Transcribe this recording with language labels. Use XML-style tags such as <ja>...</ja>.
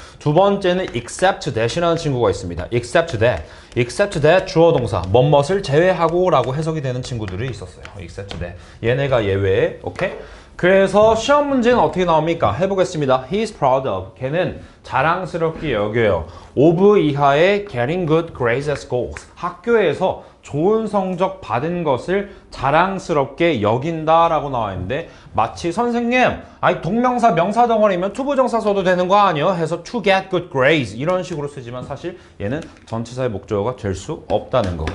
<ko>두 번째는</ko> <en>except that</en> <ko>이라는 친구가 있습니다. except that 주어동사 뭐뭇을 제외하고 라고 해석이 되는 친구들이 있었어요.</ko> <en>except that</en> <ko>얘네가 예외. 오케이? 그래서 시험 문제는 어떻게 나옵니까? 해보겠습니다.</ko> <en>He is proud of.</en> <ko>걔는 자랑스럽게 여겨요.</ko> <en>of</en> <ko>이하의</ko> <en>getting good grades at school.</en> <ko>학교에서 좋은 성적 받은 것을 자랑스럽게 여긴다 라고 나와 있는데 마치 선생님 아니 동명사 명사 덩어리면 투부정사 써도 되는 거 아니에요? 해서</ko> <en>to get good grades</en> <ko>이런 식으로 쓰지만 사실 얘는 전치사의 목적어가 될 수 없다는 거.</ko>